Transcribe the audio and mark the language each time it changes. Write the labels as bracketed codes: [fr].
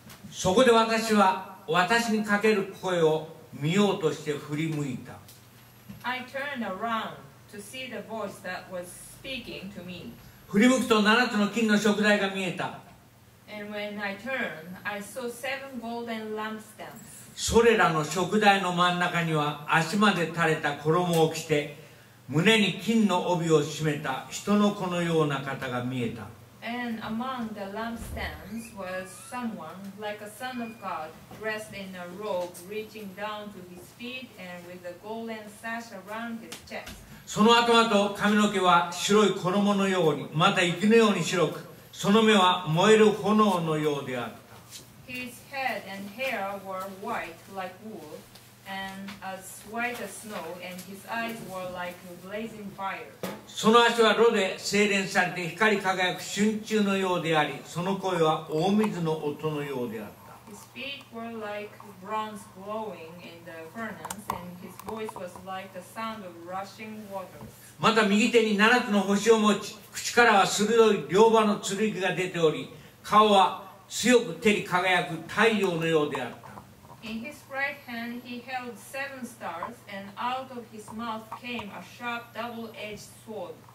[ja] そこで私は私にかける声を見ようとして振り向いた。 [en] I turned around to see the voice that was speaking to me. [ja] 振り向くと七つの金の燭台が見えた。 [en] And when I turned, I saw seven golden lampstands. [ja] それらの燭台の真ん中には足まで垂れた衣を着て胸に金の帯を締めた人の子のような方が見えた。 [en] And among the lampstands was someone like a son of God dressed in a robe reaching down to his feet and with a golden sash around his chest. [ja] その頭と髪の毛は白い衣のようにまた雪のように白く、その目は燃える炎のようであった。 [en] His head and hair were white like wool and as white as snow and his eyes were like blazing fire. [ja] その足は炉で精錬されて光り輝く春秋のようであり、その声は大水の音のようであった。 [en] His feet were like bronze glowing in the furnace and his voice was like the sound of rushing waters. [ja] また右手に七つの星を持ち、口からは鋭い両刃の剣が出ており、顔は強く照り輝く太陽のようであった。 [en] In his right hand he held seven stars and out of his mouth came a sharp double-edged sword.